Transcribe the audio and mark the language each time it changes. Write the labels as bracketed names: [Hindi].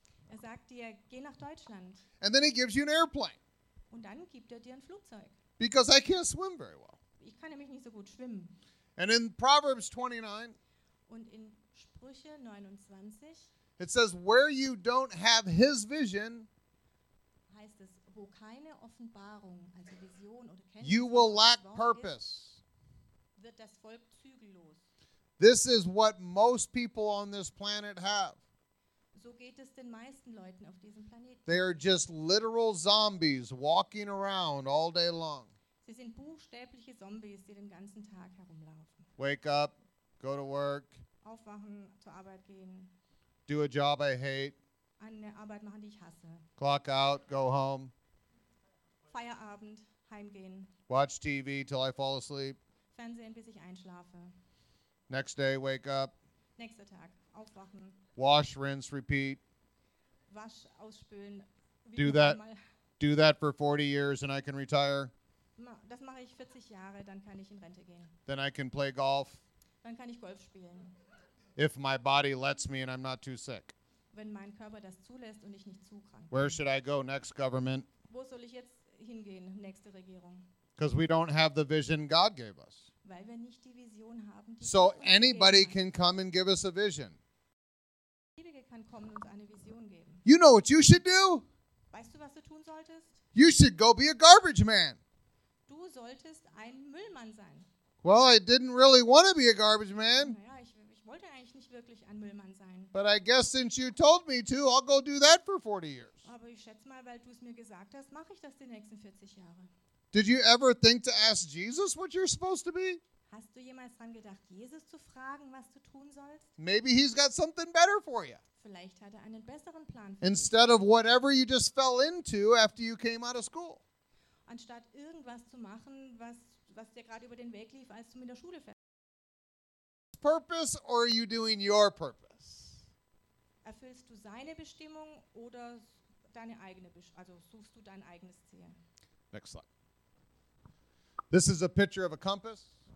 [German] Er sagt dir, geh nach Deutschland. [English] And then he gives you an airplane. [German] Und dann gibt er dir ein Flugzeug. [English] Because I can't swim very well. [German] Ich kann nämlich nicht so gut schwimmen. [English] And in Proverbs 29, [German] und in Sprüche 29, [English] it says, where you don't have his vision, [German] heißt es, wo keine Offenbarung, also Vision oder Kenntnis, [English] you will lack purpose. [German] Wird das Volk zügellos. [English] This is what most people on this planet have. [German] So geht es den meisten Leuten auf diesem Planeten. [English] They are just literal zombies walking around all day long. [German] Sie sind buchstäbliche Zombies, die den ganzen Tag herumlaufen. [English] Wake up, go to work. [German] Aufwachen, zur Arbeit gehen. [English] Do a job I hate. [German] Eine Arbeit machen, die ich hasse. [English] Clock out, go home. [German] Feierabend, heimgehen. [English] Watch TV till I fall asleep. [German] Fernsehen, bis ich einschlafe. [English] Next day, wake up. [German] Nächster Tag, aufwachen. [English] Wash, rinse, repeat. [German] Wasch, ausspülen. [English] Do that for 40 years and I can retire. [German] Das mache ich 40 Jahre, dann kann ich in Rente gehen. [English] Then I can play golf. [German] Dann kann ich Golf spielen. [English] If my body lets me and I'm not too sick. [German] Wenn mein Körper das zulässt und ich nicht zu krank bin. [English] Where should I go next government? [German] Wo soll ich jetzt hingehen, nächste Regierung? [English] Because we don't have the vision God gave us. [German] Weil wir nicht die Vision haben, die [English] so anybody can come and give us a vision. You know what you should do? [German] Weißt du, was du tun solltest? [English] You should go be a garbage man. [German] Du solltest ein Müllmann sein. [English] Well, I didn't really want to be a garbage man. [German] Naja, ich wollte eigentlich nicht wirklich ein Müllmann sein. [English] But I guess since you told me to, I'll go do that for 40 years. [German] Aber ich schätze mal, weil du es mir gesagt hast, mache ich das die nächsten 40 Jahre. [English] Did you ever think to ask Jesus what you're supposed to be? [German] Hast du jemals dran gedacht, Jesus zu fragen, was du tun sollst? [English] Maybe he's got something better for you. [German] Vielleicht hat er einen besseren Plan für [English] instead [German] dich. [English] Of whatever you just fell into after you came out of school. [German] Anstatt irgendwas zu machen, was dir gerade über den Weg lief, als du mit der Schule fertig warst. [English] Purpose or are you doing your purpose? [German] Erfüllst du seine Bestimmung oder deine eigene, also suchst du dein eigenes Ziel? [English] Next slide. This is a picture of a compass.